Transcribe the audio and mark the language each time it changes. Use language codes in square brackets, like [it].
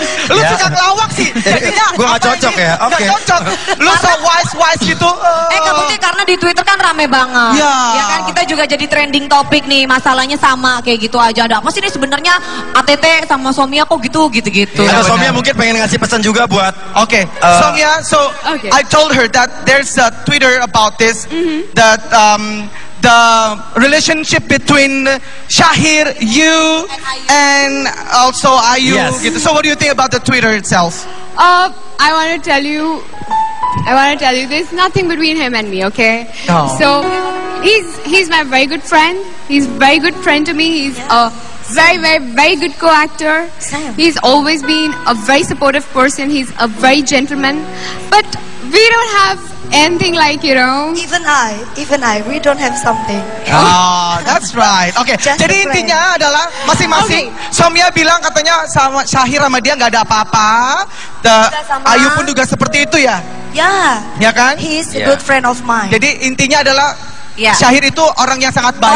[id] Lu suka ngelawak sih. Jadinya gue gak cocok ini? Gak cocok. Lu [en] so wise [id] gitu. Kebetulnya karena di Twitter kan rame banget. Iya. Ya kan kita juga jadi trending topik nih. Masalahnya sama kayak gitu aja. Ada apa sih ini sebenarnya ATT sama Somya kok gitu. Ya, Somya mungkin pengen ngasih pesan juga buat. Oke. [en] Somya, so I told her that there's a Twitter about this that the relationship between Shahir, you and also Ayu. Yes. So what do you think about the Twitter itself? I want to tell you there's nothing between him and me, okay? Oh. So he's my very good friend. He's very good friend to me. He's a very, very, very good co-actor. Same. He's always been a very supportive person. He's a very gentleman. But we don't have anything like, you know. Even I, we don't have something. That's right. [id] Okay, just jadi intinya adalah masing-masing. Okay. Somya bilang katanya sama Shahir sama dia gak ada apa-apa. Ayu pun juga seperti itu ya? Ya kan? [en] He's a good friend of mine. [id] Jadi intinya adalah Syahir itu orang yang sangat baik.